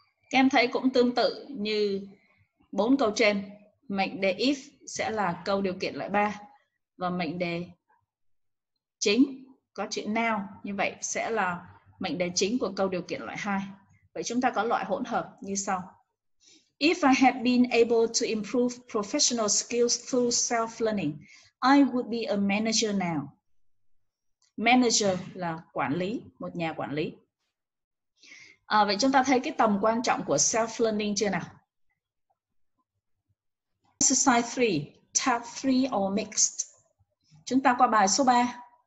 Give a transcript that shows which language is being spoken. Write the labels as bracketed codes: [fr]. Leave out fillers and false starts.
[vi] Các em thấy cũng tương tự như 4 câu trên. Mệnh đề if sẽ là câu điều kiện loại 3. Và mệnh đề chính có chữ now, như vậy sẽ là mệnh đề chính của câu điều kiện loại 2. Vậy chúng ta có loại hỗn hợp như sau. [en] If I had been able to improve professional skills through self-learning, I would be a manager now. [vi] Manager là quản lý, một nhà quản lý. À, vậy chúng ta thấy cái tầm quan trọng của self-learning chưa nào? [en] Exercise 3, Task 3 or mixed. [vi] Chúng ta qua bài số 3.